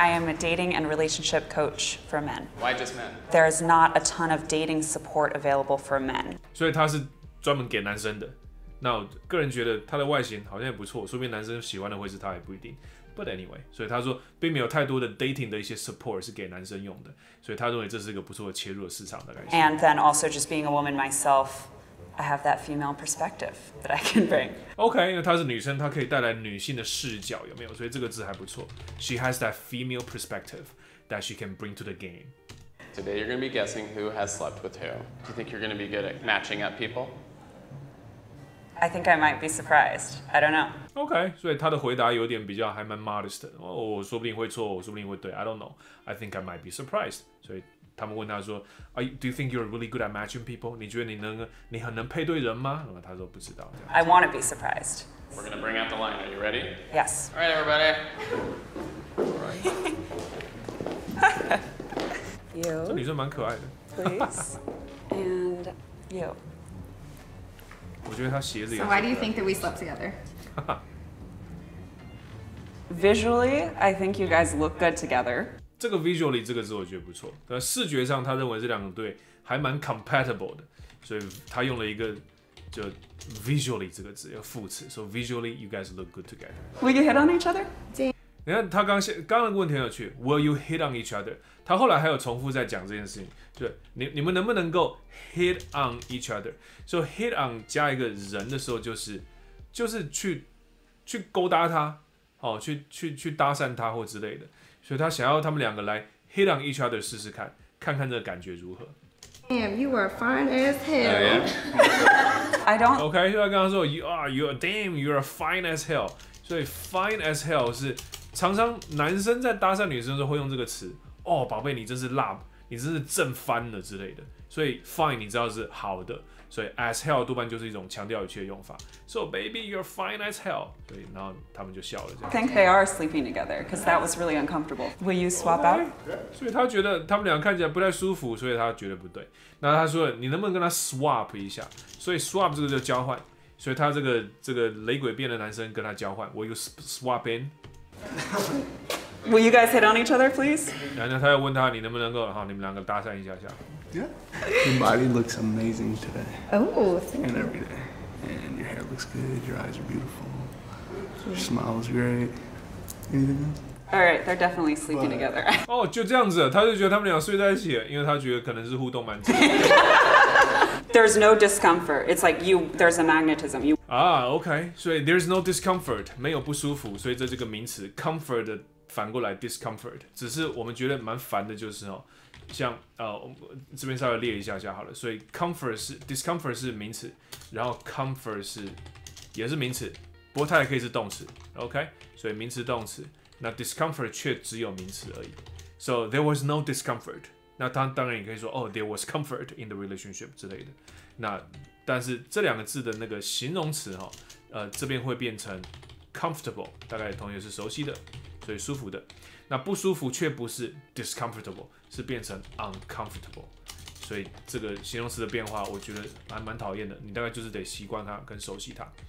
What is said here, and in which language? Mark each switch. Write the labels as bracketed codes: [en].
[en] I am a dating and relationship coach for men. Why just men? There is not a ton of dating support available for men. [zh] 所以他是专门给男生的。那我个人觉得他的外形好像也不错，说不定男生喜欢的会是他也不一定。 [en] But anyway， [zh] 所以他说并没有太多的 dating 的一些 support 是给男生用的，所以他认为这是一个不错的切入的市场的感觉。 [en] And then also just being a woman myself, I have that female perspective that I can bring. [zh] OK， 因为她是女生，她可以带来女性的视角，有没有？所以这个字还不错。 [en] She has that female perspective that she can bring to the game. Today you're going to be guessing who has slept with who. Do you think you're going to be good at matching up people? I think I might be surprised. I don't know. [zh] OK， 所以她的回答有点比较还蛮 modest 的。哦，我说不定会错，我说不定会对。 [en] I don't know. I think I might be surprised. [zh] 所以他们问她说 [en] ，Do you think you're really good at matching people？ [zh] 你觉得你很能配对人吗？然后她说不知道。 [en] I want to be surprised. We're gonna bring out the line. Are you ready? Yes. All right, everybody. Alright. You. [zh] 这女生蛮可爱的。 [en] Please. And you. [zh] 我觉得她鞋子也。 [en] So why do you think that we slept together? Visually, I think you guys look good together. [zh] 这个 visually 这个字我觉得不错，但视觉上他认为这两个对还蛮 compatible 的，所以他用了一个就 visually 这个字，要副词，所以 [en] visually you guys look good together. Will you hit on each other? [zh] 你看他刚刚的问题很有趣 ， [en] Will you hit on each other？ [zh] 他后来还有重复在讲这件事情，就是你们能不能够 hit on each other？所以 hit on 加一个人的时候，就是去勾搭他，哦，去搭讪他或之类的。所以他想要他们两个来 hit on each other 试试看，看看这个感觉如何。 [en] Damn, you are fine as hell. I don't. [zh] OK， 就他刚刚说 [en] you are fine as hell。 [zh] 所以 fine as hell 是常常男生在搭讪女生的时候会用这个词。哦，宝贝，你真是辣，你真是正翻了之类的。所以 fine 你知道是好的，所以 as hell 多半就是一种强调语气的用法。 [en] So baby, you're fine as hell. [zh] 所以然后他们就笑了。 [en] I think they are sleeping together because that was really uncomfortable. Will you swap out? [zh] 所以他觉得他们两个看起来不太舒服，所以他觉得不对。那他说你能不能跟他 swap 一下？所以 swap 这个就交换。所以他这个雷鬼变的男生跟他交换。 [en] Will you swap in? Will you guys hit on each other, please? [zh] 然后他又问他你能不能够好你们两个搭讪一下下。 [en] Yeah. Your body looks amazing today. Oh, thank you. And every day. And your hair looks good. looks good. Your eyes are beautiful. Your smile is great. Anything else? Alright, they're definitely sleeping together. [zh] 哦，就这样子，他就觉得他们俩睡在一起，因为他觉得可能是互动蛮紧。 [en] There's no discomfort. It's like you, there's a magnetism. You... Ah, okay. So there's no discomfort. [zh] 没有不舒服，所以这个名词 comfort 的反过来 discomfort. 只是我们觉得蛮烦的就是哦，像这边稍微列一下下好了。所以 comfort 是 discomfort 是名词，然后 comfort 是也是名词，不过它也可以是动词。 [en] Okay. [zh] 所以名词动词，那 discomfort 却只有名词而已。 [en] So there was no discomfort. [zh] 那当然也可以说哦 [en] ，there was comfort in the relationship 之类的。 [zh] 那但是这两个字的那个形容词哈，这边会变成 comfortable， 大概同学是熟悉的，所以舒服的。那不舒服却不是 discomfortable， 是变成 uncomfortable。所以这个形容词的变化，我觉得还蛮讨厌的。你大概就是得习惯它跟熟悉它。